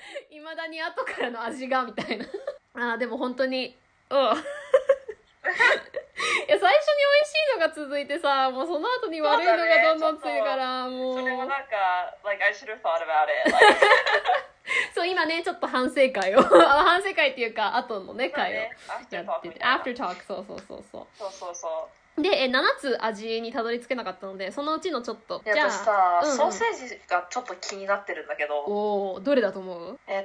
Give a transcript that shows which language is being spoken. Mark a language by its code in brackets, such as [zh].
[ja] 未だに後からの味がみたいな。ああ、でも本当に、うん。いや、最初に美味しいのが続いてさ、もうその後に悪いのがどんどんついてから、ね、もう。それもなんか、 [en] like I should have thought about it、like。 [ja] そう、今ね、ちょっと反省会を、反省会っていうか後のね会をやってて、 [en] after talk、 [ja] そうそうそうそう。そうそうそう。で、7つ味にたどり着けなかったので、そのうちのちょっと。いや、じゃあ私さ、うんうん、ソーセージがちょっと気になってるんだけど。おぉ、どれだと思う？